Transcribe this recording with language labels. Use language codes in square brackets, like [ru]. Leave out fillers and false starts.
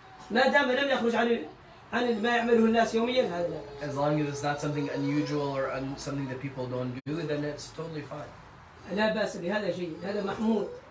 [ar] ما دام لم يخرج عن ما يعمله الناس يوميا هذا لا بأس. [en] As long as it's not something unusual or something that people don't do, then it's totally fine. [ar] لا بأس بهذا جيد هذا محمود.